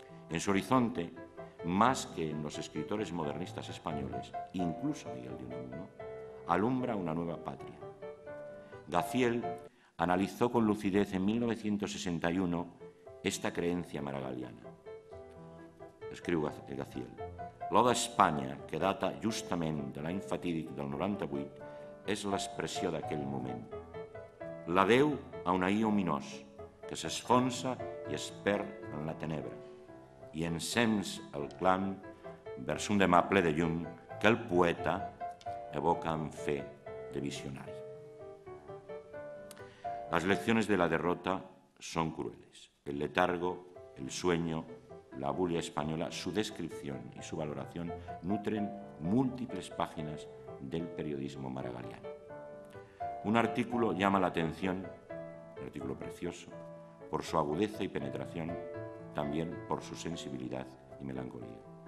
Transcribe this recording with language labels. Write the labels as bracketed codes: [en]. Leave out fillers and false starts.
[es] En su horizonte, más que en los escritores modernistas españoles, incluso Miguel de Unamuno, alumbra una nueva patria. Gaciel analizó con lucidez en 1961 esta creencia maragalliana. [ca] Escriu Gaciel: l'Oda a Espanya, que data justament de l'any fatídic del 98, és l'expressió d'aquell moment. La veu a un ahir ominós que s'esfonsa i es perd en la tenebra i encens el clam vers un demà ple de llum que el poeta evoca en fe de visionari. [es] Las lecciones de la derrota son crueles. El letargo, el sueño, la bulla española, su descripción y su valoración nutren múltiples páginas del periodismo maragalliano. Un artículo llama la atención, un artículo precioso, por su agudeza y penetración, también por su sensibilidad y melancolía.